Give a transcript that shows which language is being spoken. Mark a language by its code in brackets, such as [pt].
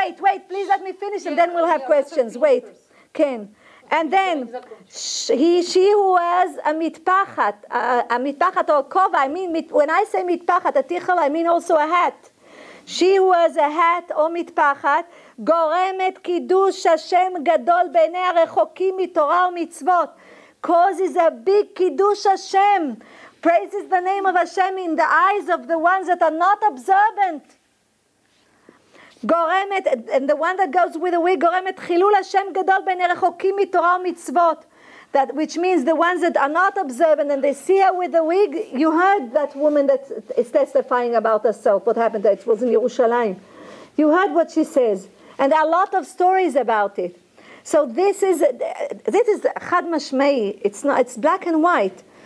[en] Wait, please let me finish and then we'll have questions, wait. כן. And then, she who was a mitpachat or a kova, I mean, when I say mitpachat, a tichel, I mean also a hat. [he] She who was a hat or mitpachat, גורמת קידוש השם גדול בעיני הרחוקים מתורה ומצוות. [en] Causes a big קידוש השם. Praises the name of Hashem in the eyes of the ones that are not observant. [he] גורמת, and the one that goes with the wig, גורמת חילול השם גדול בעיני הרחוקים מתורה ומצוות. [en] That which means the ones that are not observant and they see her with the wig. You heard that woman that is testifying about herself, what happened there, it was in Yerushalayim. You heard what she says. And there are a lot of stories about it. So this is chad mashmei. It's black and white.